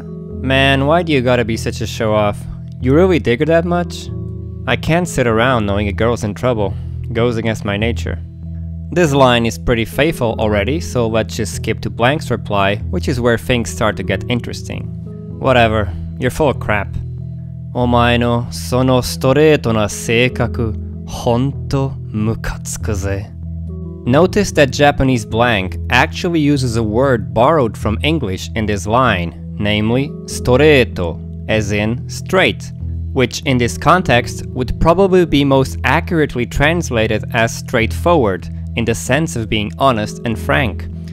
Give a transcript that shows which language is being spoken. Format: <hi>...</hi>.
<en>Man, why do you gotta be such a show-off? You really dig her that much? I can't sit around knowing a girl's in trouble. Goes against my nature. This line is pretty faithful already, so let's just skip to blank's reply, which is where things start to get interesting. Whatever, you're full of crap.</en> <ja>Omae no sono storeto na seikaku, honto mukatsuku ze.</ja> <en>Notice that Japanese blank actually uses a word borrowed from English in this line, namely storeto, as in straight, which in this context would probably be most accurately translated as straightforward, in the sense of being honest and frank.</en>